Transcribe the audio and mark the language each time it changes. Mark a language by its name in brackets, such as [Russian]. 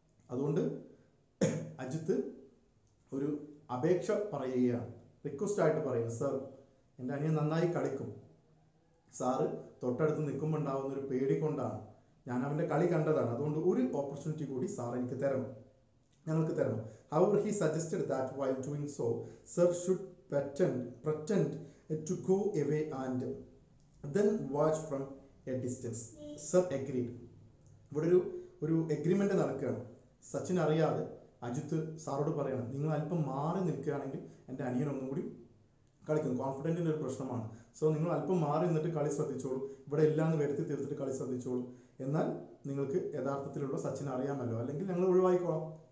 [Malayalam] അതുകൊണ്ട് അജിത്ത് ഒരു അപേക്ഷ പറയുകയാണ്, റിക്വസ്റ്റ് ആയിട്ട് പറയുന്നു, സർ എൻ്റെ അനിയൻ നന്നായി കളിക്കും, സാറ് തൊട്ടടുത്ത് നിൽക്കുമ്പോണ്ടാവുന്ന ഒരു പേടി കൊണ്ടാണ് ഞാൻ അവൻ്റെ കളി കണ്ടതാണ്, അതുകൊണ്ട് ഒരു ഓപ്പർച്യൂണിറ്റി കൂടി സാർ എനിക്ക് തരണം, ഞങ്ങൾക്ക് തരണം. [English] How he suggested that while doing so sir should pretend to go away and then watch from a distance. Sir agreed. [Malayalam] ഇവിടെ ഒരു ഒരു എഗ്രിമെന്റ് നടക്കുകയാണ്. സച്ചിൻ അറിയാതെ അജിത്ത് സാറോട് പറയണം, നിങ്ങൾ അല്പം മാറി നിൽക്കുകയാണെങ്കിൽ എൻ്റെ അനിയൻ ഒന്നും കൂടി കളിക്കും. കോൺഫിഡൻറ്റിൻ്റെ ഒരു പ്രശ്നമാണ്. സോ നിങ്ങൾ അല്പം മാറി നിന്നിട്ട് കളി ശ്രദ്ധിച്ചോളൂ, ഇവിടെ എല്ലാം വരുത്തി തീർത്തിട്ട് കളി ശ്രദ്ധിച്ചോളൂ, എന്നാൽ നിങ്ങൾക്ക് യഥാർത്ഥത്തിലുള്ള സച്ചിൻ അറിയാമല്ലോ, അല്ലെങ്കിൽ ഞങ്ങൾ ഒഴിവാക്കിക്കോളാം.